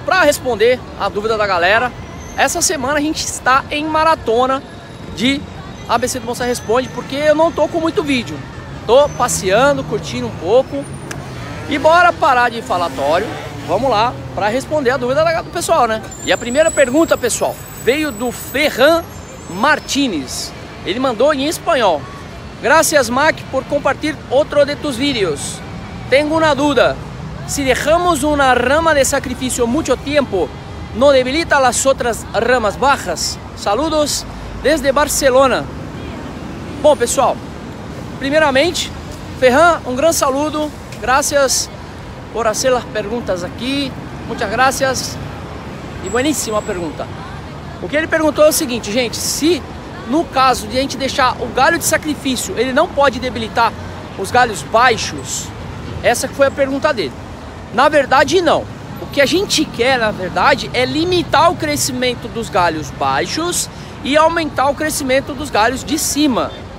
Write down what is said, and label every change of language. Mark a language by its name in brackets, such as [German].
[Portuguese] Para responder a dúvida da galera, essa semana a gente está em maratona de ABC do Bonsai Responde, porque eu não tô com muito vídeo, tô passeando, curtindo um pouco. E bora parar de falatório, vamos lá para responder a dúvida do pessoal, né? E a primeira pergunta, pessoal, veio do Ferran Martinez. Ele mandou em espanhol: [Spanish] gracias Mac por compartir outro de tus vídeos. Tengo una duda, si dejamos una rama de sacrificio mucho tiempo, ¿no debilita las otras ramas bajas? Saludos desde Barcelona. [Portuguese] Bom, pessoal, primeiramente, Ferran, um grande saludo. [Spanish] Gracias por hacer las preguntas aquí. Muchas gracias. E buenísima pergunta. [Portuguese] O que ele perguntou é o seguinte, gente: se no caso de a gente deixar o galho de sacrifício, ele não pode debilitar os galhos baixos? Essa que foi a pergunta dele. Na verdade, não. O que a gente quer, na verdade, é limitar o crescimento dos galhos baixos e aumentar o crescimento dos galhos de cima.